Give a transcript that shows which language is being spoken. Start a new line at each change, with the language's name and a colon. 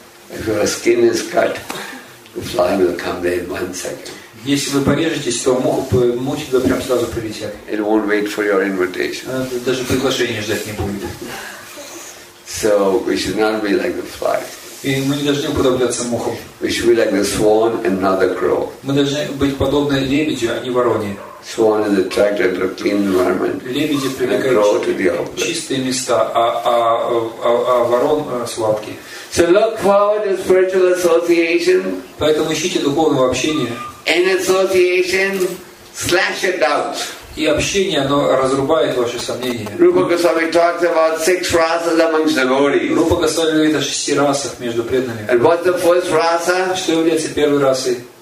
English: If your skin is cut, the fly will come there in one second.
Russian: Если вы порежетесь, то мухи туда прям сразу прилетят.
English: It won't wait for your invitation.
Russian: Даже приглашения ждать не будет.
English: So we should not be like the fly.
Russian: И мы не должны уподобляться мухам.
English: We should be like the swan and not the crow.
Russian: Мы должны быть подобны лебедю, а не вороне.
English: Swan is attracted to a clean environment.
Russian: Лебеди привлекают чистые места, а ворон сладкие.
English: So look forward to spiritual association.
Russian: Поэтому ищите духовного общения.
English: And association slash it out.
Russian: И общение оно разрубает ваши сомнения.
English: Rupa Goswami talks about six rasas amongst devotees.
Russian: Rupa Goswami говорит о шести расах между преданными.
English: And what's the first rasa?
Russian: Что является первой расой?